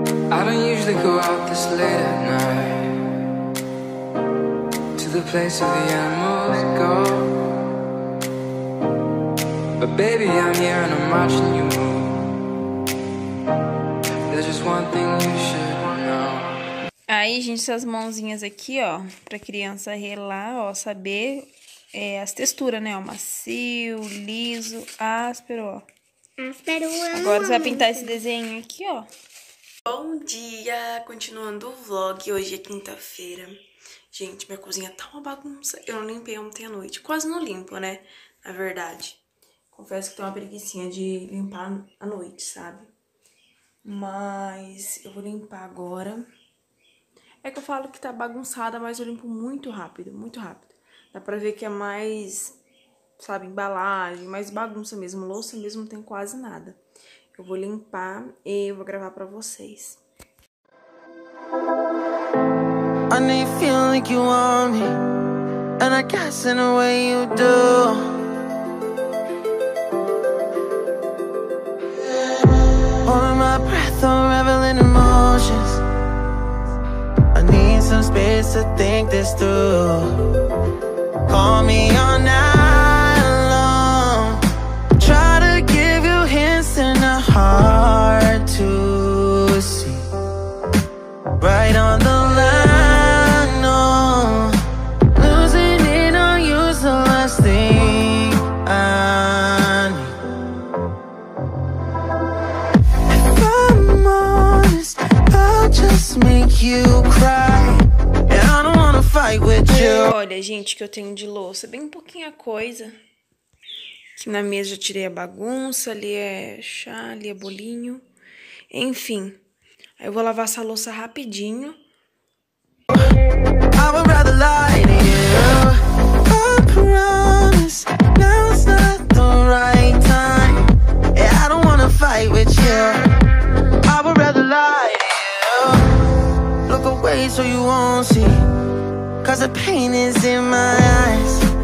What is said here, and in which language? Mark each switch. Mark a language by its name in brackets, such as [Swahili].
[English] I don't usually go out this late at night to the place where the animals go. But baby, I'm here and I'm watching you move. There's just one thing you should know. [Portuguese] Aí, gente, essas mãozinhas aqui, ó, pra criança relar, ó, saber. É as texturas, né? Ó, macio, liso, áspero, ó. Áspero, agora você vai pintar esse desenho aqui, ó. Bom dia! Continuando o vlog, hoje é quinta-feira. Gente, minha cozinha tá uma bagunça. Eu não limpei ontem à noite. Quase não limpo, né? Na verdade. Confesso que tô uma preguicinha de limpar à noite, sabe? Mas eu vou limpar agora. É que eu falo que tá bagunçada, mas eu limpo muito rápido, muito rápido. Dá pra ver que é mais, sabe, embalagem, mais bagunça mesmo. Louça mesmo não tem quase nada. Eu vou limpar e vou gravar pra vocês. [English] I need feeling like you want me. And I guess in a way you do. Holding my breath, unraveling emotions. I need some space to think this through. Call me all night long. Try to give you hints and a heart to see. Right on the line, no. Losing it on you's the last thing I need. If I'm honest, I'll just make you cry. And I don't wanna fight with you. [Portuguese] Olha, gente, que eu tenho de louça, bem pouquinha coisa. Aqui na mesa eu tirei a bagunça, ali é chá, ali é bolinho. Enfim, aí eu vou lavar essa louça rapidinho. [English] I would rather lie to you. I promise, now's not the right time. I don't wanna fight with you. I would rather lie to you. Look away so you won't see. Cause the pain is in my eyes.